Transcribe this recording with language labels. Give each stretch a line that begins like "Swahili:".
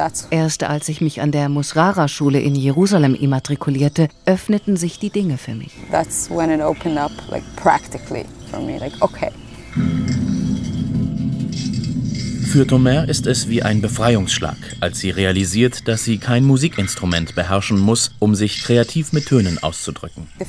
German: Erst als ich mich an der Musrara-Schule in Jerusalem immatrikulierte, öffneten sich die Dinge für mich.
English: That's when it opened up, like, practically for me, like, okay.
German: Für Tomer ist es wie ein Befreiungsschlag, als sie realisiert, dass sie kein Musikinstrument beherrschen muss, um sich kreativ mit Tönen auszudrücken.